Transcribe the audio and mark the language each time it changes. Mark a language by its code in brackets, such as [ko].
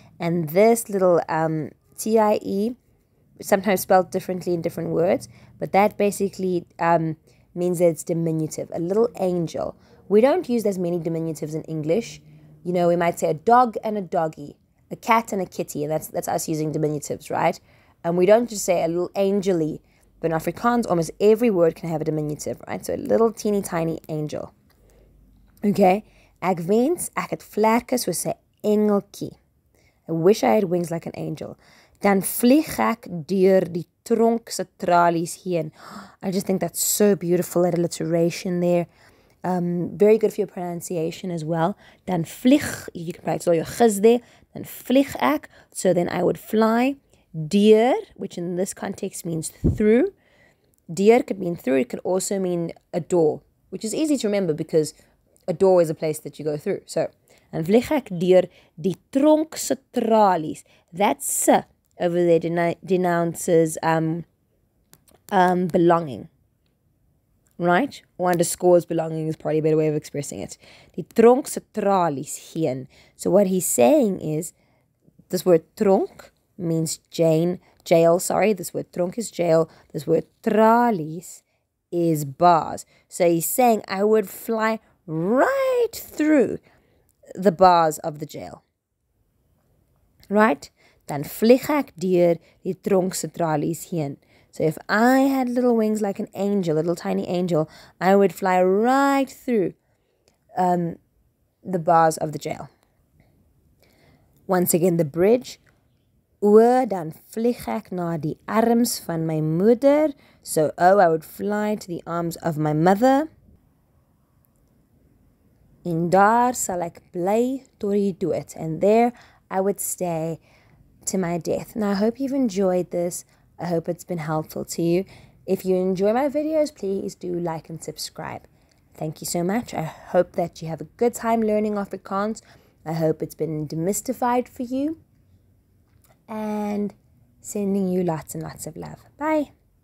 [en] And this little T-I-E, sometimes spelled differently in different words, but that basically means that it's diminutive. A little angel. We don't use as many diminutives in English. You know, we might say a dog and a doggy, a cat and a kitty, and that's us using diminutives, right? And we don't just say a little angel-y, but in Afrikaans, almost every word can have a diminutive, right? So a little teeny tiny angel. Okay? [af] Ek wens ek het vlerke soos 'n engeltjie. [en] I wish I had wings like an angel. [af] Dan vlieg ek deur die tronk se tralies heen. [en] I just think that's so beautiful, that alliteration there. Very good for your pronunciation as well. Dan vlieg, you can practice all your g's there. [af] Dan vlieg ek. [en] So then I would fly. Deur, which in this context means through. Deur could mean through. It could also mean a door, which is easy to remember because a door is a place that you go through. [af] So, dan vlieg ek deur die tronk se tralies. [en] That se over there denounces belonging. Right? Or underscores belonging is probably a better way of expressing it. [af] Die tronk se tralies heen. [en] So what he's saying is, this word tronk means jail. Sorry, this word tronk is jail. This word tralies is bars. So he's saying, I would fly right through the bars of the jail. Right? [af] Dan vlieg ek deur die tronk se tralies heen. [en] So if I had little wings like an angel, a little tiny angel, I would fly right through the bars of the jail. Once again, the bridge. [af] Oor dan vlieg ek na die arms van my moeder. [en] So, oh, I would fly to the arms of my mother. [af] En daar sal ek bly tot die dood. [en] And there I would stay to my death. Now, I hope you've enjoyed this. I hope it's been helpful to you. If you enjoy my videos, please do like and subscribe. Thank you so much. I hope that you have a good time learning Afrikaans. I hope it's been demystified for you. And sending you lots and lots of love. Bye.